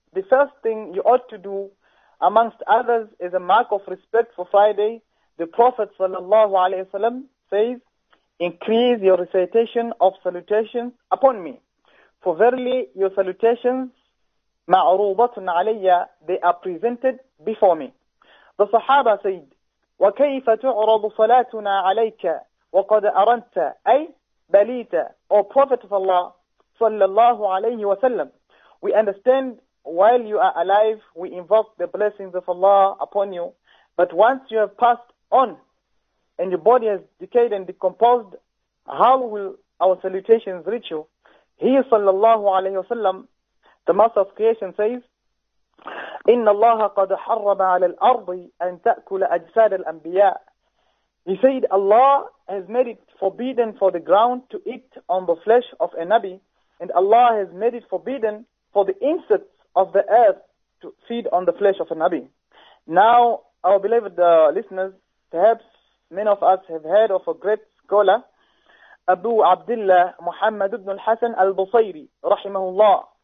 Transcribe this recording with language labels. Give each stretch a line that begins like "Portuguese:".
English: The first thing you ought to do, amongst others, is a mark of respect for Friday. The Prophet sallallahu alayhi wasallam says, increase your recitation of salutations upon me. For verily, your salutations,
Arabic: ma'rubatun alayya,
English: they are presented before me. The Sahaba said,
Arabic: وَكَيْفَ تُعْرَضُ صَلَاتُنَا عَلَيْكَ وَقَدْ أَرَنْتَ أَيْ بَلِيتَ.
English: O Prophet of Allah, sallallahu alayhi wasallam, we understand while you are alive, we invoke the blessings of Allah upon you. But once you have passed on and your body has decayed and decomposed, how will our salutations reach you? He, sallallahu alayhi wasallam, the master of creation, says,
Arabic: إِنَّ اللَّهَ قَدْ حَرَّمَ عَلَى الْأَرْضِ أَنْ تَأْكُلَ أَجْسَادَ الْأَنْبِيَاءِ.
English: He said, Allah has made it forbidden for the ground to eat on the flesh of a Nabi, and Allah has made it forbidden for the insects of the earth to feed on the flesh of a Nabi. Now, our beloved listeners, perhaps many of us have heard of a great scholar, Abu Abdullah Muhammad ibn al-Hasan al-Busayri, rahimahullah.